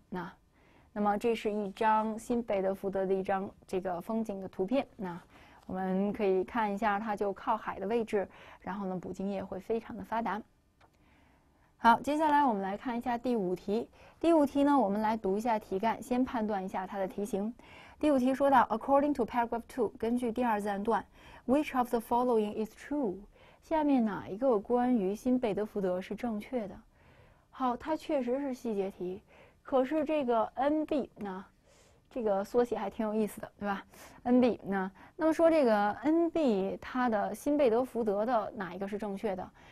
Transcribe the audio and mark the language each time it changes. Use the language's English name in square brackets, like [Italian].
[Chinese] 那么这是一张新贝德福德的一张这个风景的图片。我们可以看一下，它就靠海的位置，然后呢，捕鲸业会非常的发达。好，接下来我们来看一下第五题。第五题呢，我们来读一下题干，先判断一下它的题型。第五题说到， [English] According to paragraph two， [Chinese] 根据第二自然段， [English] Which of the following is true？ [Chinese] 下面哪一个关于新贝德福德是正确的？好，它确实是细节题，可是这个 NB 呢？这个缩写还挺有意思的，对吧？NB 那么说这个 NB 它的新贝德福德的哪一个是正确的？